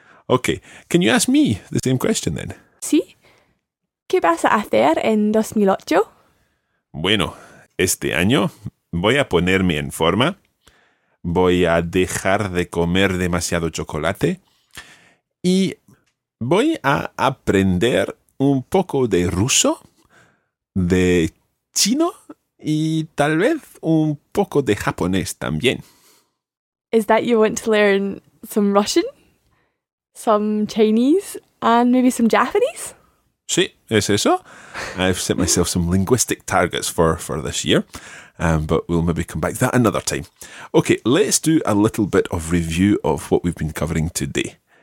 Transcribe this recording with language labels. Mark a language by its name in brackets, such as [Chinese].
[English] Okay, can you ask me the same question then? [Spanish] Sí. ¿Qué vas a hacer en 2008? Bueno, este año voy a ponerme en forma. Voy a dejar de comer demasiado chocolate. Y voy a aprender un poco de ruso, de chino y tal vez un poco de japonés también. [English] Is that you want to learn some Russian, some Chinese, and maybe some Japanese? [Spanish] Sí, es eso. [English] I've set myself some linguistic targets for this year. But we'll maybe come back to that another time. Okay, let's do a little bit of review of what we've been covering today.